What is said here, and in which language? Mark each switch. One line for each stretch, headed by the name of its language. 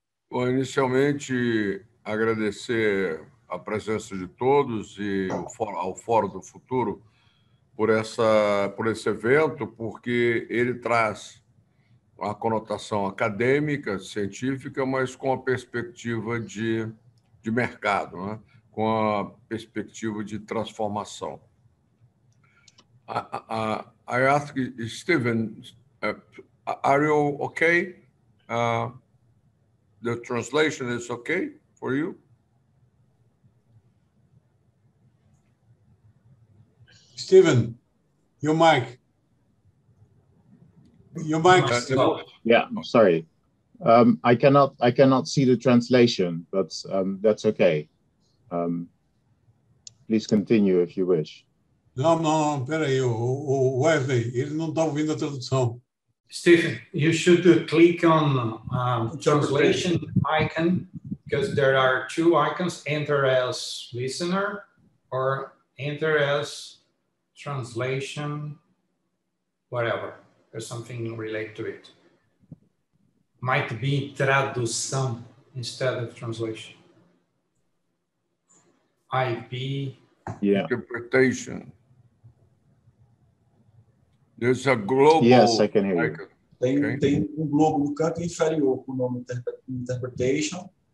Portuguese: Bom, inicialmente agradecer a presença de todos e ao Fórum do Futuro por esse evento, porque ele traz uma conotação acadêmica, científica, mas com a perspectiva de mercado, né? Com a perspectiva de transformação.
English: I ask Steven, are you okay? The translation is okay for you? Steven, your mic is off. Yeah, I'm sorry. I cannot see the translation, but that's okay. Please continue if you wish.
Portuguese: Não, pera aí, o Wesley, ele não está ouvindo a tradução.
English: Steven, you should click on translation icon because there are two icons: enter as listener or enter as translation, whatever, or something related to it. Might be tradução instead of translation. IP. Interpretation. There's a global Yes, I can hear you. icon.
Portuguese: Tem um globo no canto inferior com o nome Interpretation.